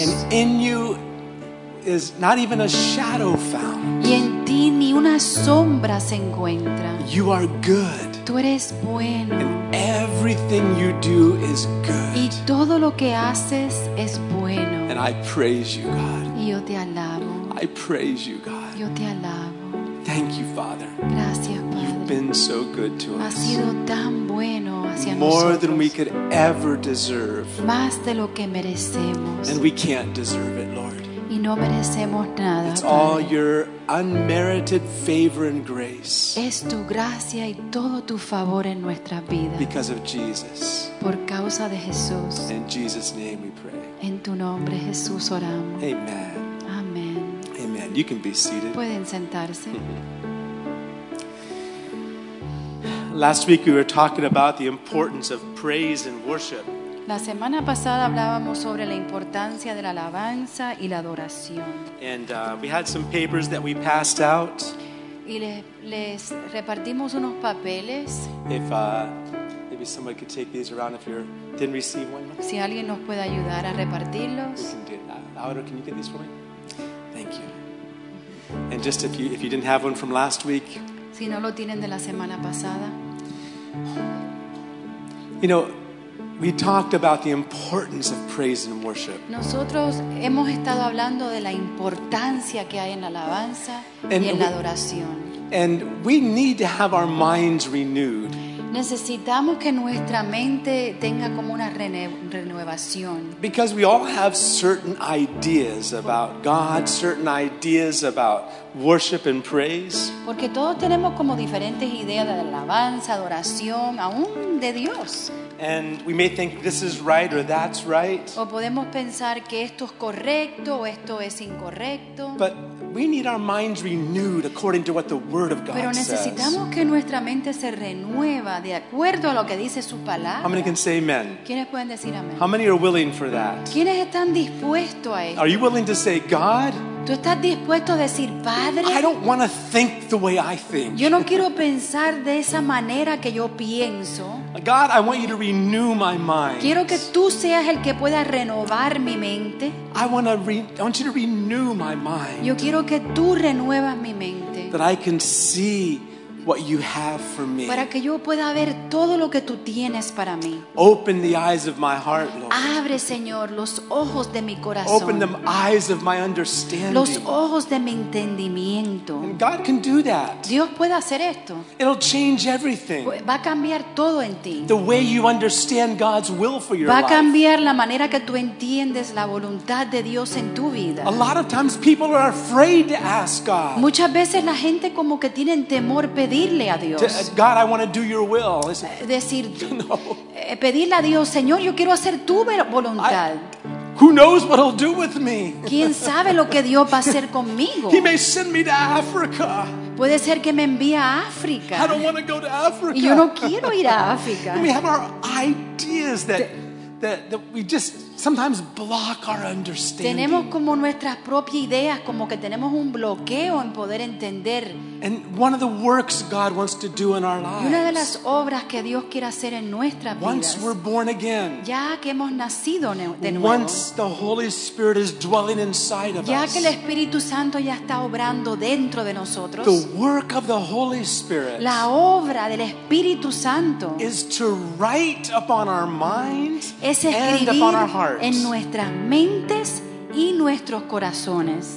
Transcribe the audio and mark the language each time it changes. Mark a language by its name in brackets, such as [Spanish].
[English] And in you is not even a shadow found. [Spanish] Y en ti ni una sombra se encuentra. [English] You are good. [Spanish] Tú eres bueno. [English] And everything you do is good. [Spanish] Y todo lo que haces es bueno. [English] And I praise you, God. [Spanish] Y yo te alabo. [English] I praise you, God. [Spanish] Yo te alabo. [English] Thank you, Father. [Spanish] Gracias, Padre. [English] You've been so good to us. [Spanish] Has sido tan bueno hacia [English] More [Spanish] nosotros. [English] Than we could ever deserve. [Spanish] Más de lo que merecemos. [English] And we can't deserve it, Lord. [Spanish] Y no merecemos nada, [English] it's [Spanish] Padre. [English] All your unmerited favor and grace. [Spanish] Es tu gracia y todo tu favor en nuestras vidas. [English] Because of Jesus. [Spanish] Por causa de Jesús. [English] In Jesus' name we pray. [Spanish] En tu nombre, Jesús, oramos. [English] Amen. [Spanish] Amen. [English] Amen. You can be seated. [Spanish] Pueden sentarse. [English] Last week we were talking about the importance of praise and worship. [Spanish] La semana pasada hablábamos sobre la importancia de la alabanza y la adoración. [English] And we had some papers that we passed out. [Spanish] Y les repartimos unos papeles. [English] If maybe somebody could take these around if you didn't receive one. [Spanish] Si alguien nos puede ayudar a repartirlos. [English] Laura, can you get these for me? Thank you. And just if you didn't have one from last week. [Spanish] Si no lo tienen de la semana pasada. [English] You know, we talked about the importance of praise and worship. [Spanish] Nosotros hemos estado hablando de la importancia que hay en la alabanza y en la adoración. [English] And we need to have our minds renewed. [Spanish] Necesitamos que nuestra mente tenga como una renovación. [English] Because we all have certain ideas about God, certain ideas about worship and praise. [Spanish] Porque todos tenemos como diferentes ideas de alabanza, adoración, aún de Dios. [English] And we may think this is right or that's right. [Spanish] O podemos pensar que esto es correcto o esto es incorrecto. [English] But we need our minds renewed according to what the Word of God says. [Spanish] Pero necesitamos [English] says. [Spanish] Que nuestra mente se renueva de acuerdo a lo que dice su palabra. [English] How many can say amen? [Spanish] ¿Quiénes pueden decir amén? [English] How many are willing for that? [Spanish] ¿Quiénes están dispuestos a esto? [English] Are you willing to say God? [Spanish] ¿Tú estás dispuesto a decir, Padre? [English] I don't want to think the way I think. [Spanish] Yo no quiero pensar de esa manera que yo pienso. [English] God, I want you to renew my mind. [Spanish] Quiero que tú seas el que pueda renovar mi mente. [English] I want you to renew my mind. [Spanish] Yo quiero que tú renuevas mi mente. [English] That I can see what you have for me. [Spanish] Para que yo pueda ver todo lo que tú tienes para mí. [English] Open the eyes of my heart, Lord. [Spanish] Abre, Señor, los ojos de mi corazón. [English] Open the eyes of my understanding. [Spanish] Los ojos de mi entendimiento. [English] And God can do that. [Spanish] Dios puede hacer esto. [English] It'll change everything. [Spanish] Va a cambiar todo en ti. [English] The way you understand God's will for your life. [Spanish] Va a cambiar la manera que tú entiendes la voluntad de Dios en tu vida. [English] A lot of times people are afraid to ask God. [Spanish] Muchas veces la gente como que tienen temor pedirle a Dios. [English] God, I want to do your will. Es [Spanish] decir, no. Pedirle a Dios, Señor, yo quiero hacer tu voluntad. [English] Who knows what he'll do with me? [Spanish] ¿Quién sabe lo que Dios va a hacer conmigo? [English] He may send me to Africa. [Spanish] Puede ser que me envíe a África. [English] I don't want to go to Africa. [Spanish] Y yo no quiero ir a África. [English] We have our ideas that we just sometimes block our understanding. [Spanish] Tenemos como nuestras propias ideas, como que tenemos un bloqueo en poder entender. [English] And one of the works God wants to do in our lives. [Spanish] Y una de las obras que Dios quiere hacer en nuestras vidas. [English] Once we're born again. [Spanish] Ya que hemos nacido de nuevo. [English] Once the Holy Spirit is dwelling inside of us. [Spanish] Ya que el Espíritu Santo ya está obrando dentro de nosotros. [English] The work of the Holy Spirit. [Spanish] La obra del Espíritu Santo. [English] Is to write upon our minds. [Spanish] Es escribir [English] and upon our hearts. [Spanish] En nuestras mentes y nuestros corazones.